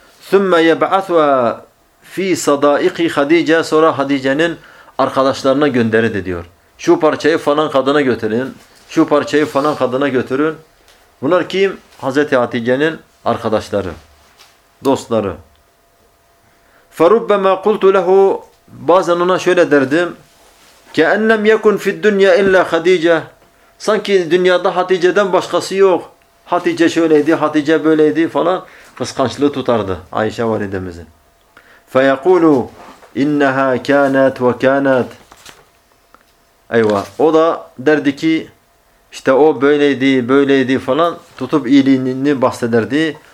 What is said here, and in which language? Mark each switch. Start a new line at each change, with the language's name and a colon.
Arabic: Thumma yeb'atha fi sadaiqi
Turkish: Hadice, sonra Hadice'nin arkadaşlarına gönderirdi diyor. Şu parçayı falan kadına götürün. Şu parçayı falan kadına götürün. Bunlar kim? Hazreti Hatice'nin arkadaşları. Dostları.
Arabic: فَرُبَّمَا قُلْتُ لَهُ,
Turkish: bazen ona şöyle derdim.
Arabic: كَاَنَّمْ يَكُنْ فِي الدُّنْيَا اِلَّا خَد۪يجَةً,
Turkish: sanki dünyada Hatice'den başkası yok. Hatice şöyleydi, Hatice böyleydi falan. Kıskançlığı tutardı Ayşe validemizin.
Arabic: فَيَقُولُ اِنَّهَا كَانَتْ وَكَانَتْ.
Turkish: Eyvah. O da derdi ki İşte o böyleydi, böyleydi falan tutup iyiliğini bahsederdi.